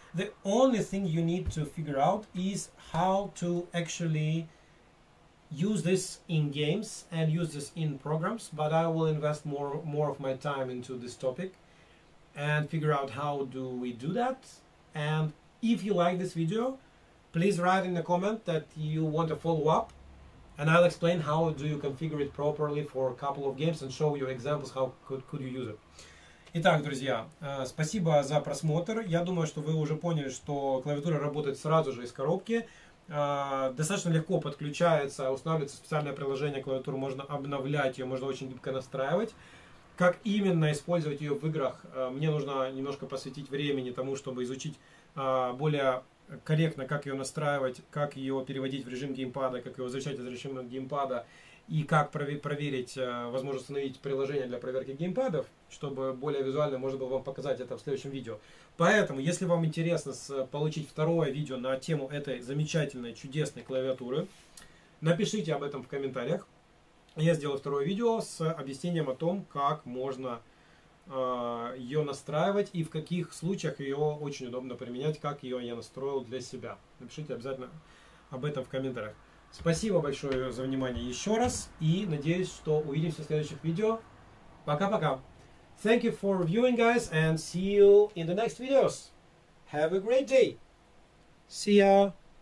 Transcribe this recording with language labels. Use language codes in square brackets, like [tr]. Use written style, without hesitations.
[en] The only thing you need to figure out is how to actually use this in games and use this in programs, but I will invest more of my time into this topic and figure out how do we do that. And if you like this video, please write in the comment that you want a follow-up, and I'll explain how do you configure it properly for a couple of games and show you examples how could you use it. [ru] Итак, друзья, спасибо за просмотр. Я думаю, что вы уже поняли, что клавиатура работает сразу же из коробки. Достаточно легко подключается, устанавливается специальное приложение, клавиатуру можно обновлять, ее можно очень гибко настраивать. как именно использовать ее в играх, мне нужно немножко посвятить времени тому, чтобы изучить более корректно, как ее настраивать, как ее переводить в режим геймпада, как ее возвращать из режима геймпада, и как проверить, возможно, установить приложение для проверки геймпадов, чтобы более визуально можно было вам показать это в следующем видео. Поэтому, если вам интересно получить второе видео на тему этой замечательной, чудесной клавиатуры, напишите об этом в комментариях. Я сделаю второе видео с объяснением о том, как можно ее настраивать и в каких случаях ее очень удобно применять, как ее я настроил для себя. Напишите обязательно об этом в комментариях. Спасибо большое за внимание еще раз и надеюсь, что увидимся в следующих видео. Пока-пока. [en] Thank you for viewing, guys, and see you in the next videos. Have a great day. See ya.